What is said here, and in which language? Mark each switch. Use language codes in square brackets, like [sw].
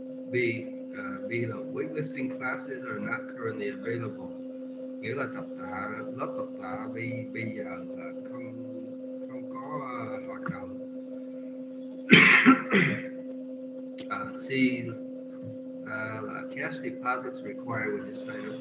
[vi] B là [en] weightlifting classes are not currently available. [vi] Nghĩa là tập tạ, lớp tập tạ bây giờ là không có hoạt động. C là [en] cash deposits required when you sign up.